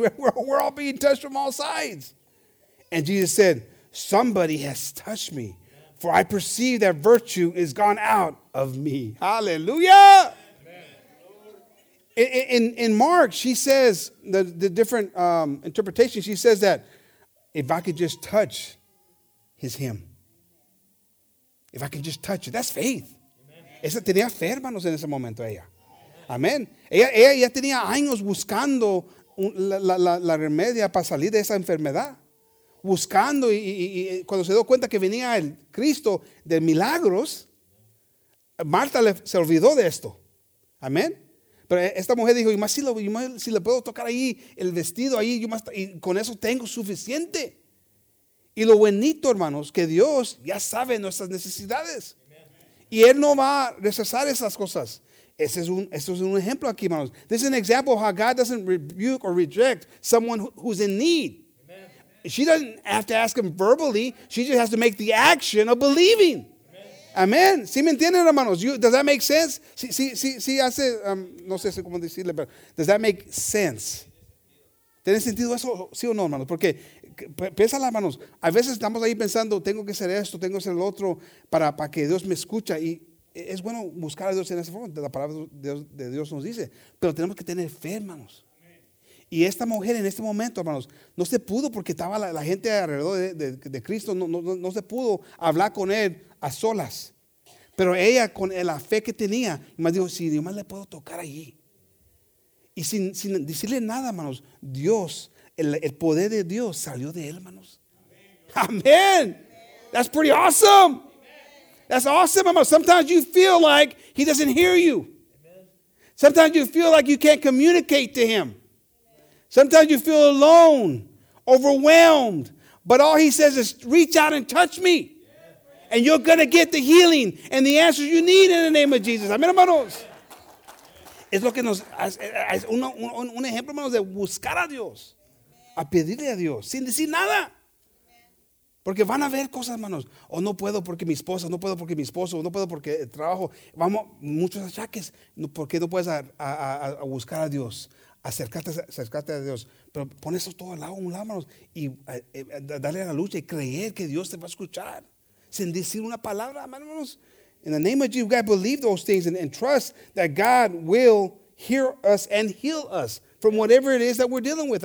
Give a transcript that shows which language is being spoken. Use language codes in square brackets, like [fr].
[en] We're all being touched from all sides. And Jesus said, "Somebody has touched me, for I perceive that virtue is gone out of me." Hallelujah! In Mark, she says, the different interpretation, she says that, if I could just touch his hem. If I can just touch it. That's faith. [es] Esa tenía fe, hermanos, en ese momento, ella. Amén. Ella ya tenía años buscando la remedia para salir de esa enfermedad. Buscando y cuando se dio cuenta que venía el Cristo de milagros, Marta se olvidó de esto. Amén. Pero esta mujer dijo, y más si le puedo tocar ahí el vestido ahí, yo más, y con eso tengo suficiente. Y lo bonito, hermanos, que Dios ya sabe nuestras necesidades. Y Él no va a rechazar esas cosas. Ese es un ejemplo aquí, hermanos. [en] This is an example of how God doesn't rebuke or reject someone who's in need. Amen. She doesn't have to ask him verbally. She just has to make the action of believing. [es] Amén. ¿Sí me entienden, hermanos? [en] Does that make sense? [es] Sí, hace, no sé cómo decirle, pero [en] does that make sense? [es] ¿Tiene sentido eso? Sí o no, hermanos. Porque, piénsala, hermanos. A veces estamos ahí pensando, tengo que hacer esto, tengo que hacer lo otro, para que Dios me escuche. Y es bueno buscar a Dios en esa forma, la palabra de Dios nos dice. Pero tenemos que tener fe, hermanos. Y esta mujer en este momento, hermanos, no se pudo porque estaba la gente alrededor de Cristo, no se pudo hablar con Él a solas. Pero ella, con la fe que tenía, más dijo, si yo más le puedo tocar allí. Y sin decirle nada, hermanos, Dios, el poder de Dios salió de él, hermanos. [en] Amén. That's pretty awesome. That's awesome, hermanos. Sometimes you feel like he doesn't hear you. Sometimes you feel like you can't communicate to him. Sometimes you feel alone, overwhelmed. But all he says is, reach out and touch me. And you're going to get the healing and the answers you need in the name of Jesus. [es] Amén, hermanos. Es lo que nos es un ejemplo, hermanos, de buscar a Dios. A pedirle a Dios sin decir nada. Porque van a ver cosas, hermanos. O no puedo porque mi esposa, no puedo porque mi esposo, no puedo porque el trabajo. Vamos, muchos achaques. ¿Por qué no puedes a buscar a Dios? Acercarte a Dios. Pero pon eso todo al lado, un lado, hermanos. Y darle a la lucha y creer que Dios te va a escuchar. Sin decir una palabra, hermanos. [en] In the name of Jesus, God, believe those things and trust that God will hear us and heal us from whatever it is that we're dealing with.